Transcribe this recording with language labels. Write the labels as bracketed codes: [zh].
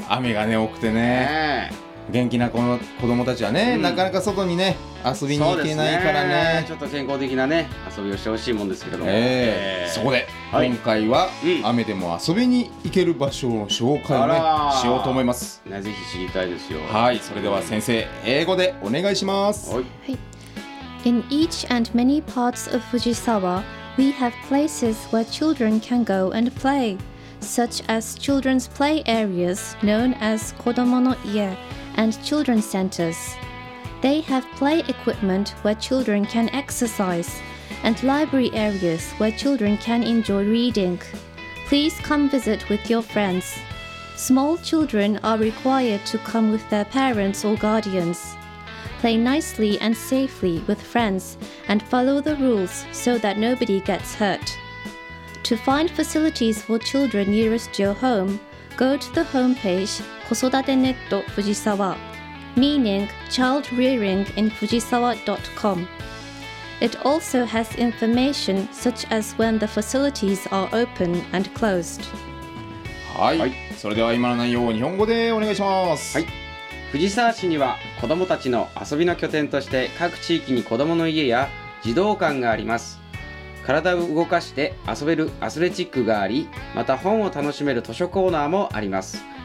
[ja] 雨がね多くて ね元気な子供たちはね、なかなか外にね遊びに行けないから ねちょっと健康的なね遊びをしてほしいもんですけども、そこで、はい、今回は、雨でも遊びに行ける場所を紹介を、ね、しようと思います、ね、ぜひ知りたいですよ。はい、それでは先生、英語でお願いします。はい、はい、 [en] In each and many parts of Fujisawa, we have places where children can go and play, such as children's play areas known as Kodomo no Ie and children's centers. They have play equipment where children can exercise, and library areas where children can enjoy reading. Please come visit with your friends. Small children are required to come with their parents or guardians. Play nicely and safely with friends and follow the rules so that nobody gets hurt. To find facilities for children nearest your home, go to the homepage 子育てネット Fujisawa, meaning child rearing in Fujisawa.com. It also has information such as when the facilities are open and closed. [ja] はい、それでは今の内容を日本語でお願いします。はい、藤沢市には子どもたちの遊びの拠点として各地域に子どもの家や児童館があります。体を動かして遊べるアスレチックがあり、また本を楽しめる図書コーナーもあります。